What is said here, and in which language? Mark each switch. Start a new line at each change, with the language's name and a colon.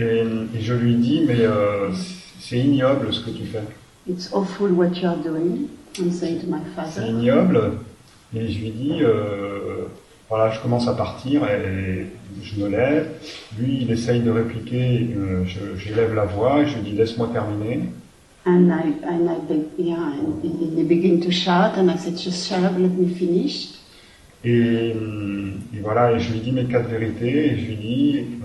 French: Et je lui dis, mais c'est ignoble ce que tu fais.
English: It's awful what you are doing. I'm saying to my father.
French: C'est ignoble. Et je lui dis, voilà, je commence à partir et je me lève. Lui, il essaye de répliquer. J'élève la voix et je lui dis, laisse-moi terminer.
English: And he begins to shout and I said, just shut up, let me finish.
French: Et voilà, et je lui dis mes quatre vérités, et je lui dis,